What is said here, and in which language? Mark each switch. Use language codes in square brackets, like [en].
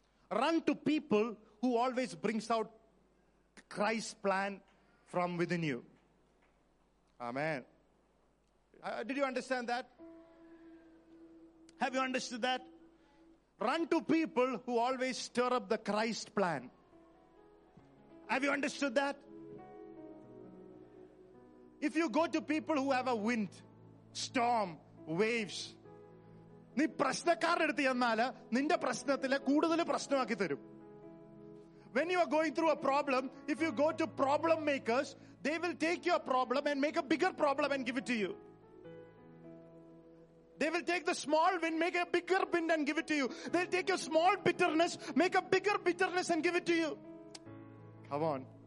[en] Run to people who always brings out Christ's plan from within you. Amen. Did you understand that? Have you understood that? Run to people who always stir up the Christ plan. Have you understood that? If you go to people who have a wind, storm, waves, [ml] നീ പ്രശ്നക്കാർ എടുത്ത് ചെന്നാൽ നിന്റെ പ്രശ്നത്തിലെ കൂടുതൽ പ്രശ്നമാക്കി തരും. [en] When you are going through a problem, if you go to problem makers, they will take your problem and make a bigger problem and give it to you. They will take the small wind, make a bigger wind and give it to you. They'll take your small bitterness, make a bigger bitterness and give it to you. Come on.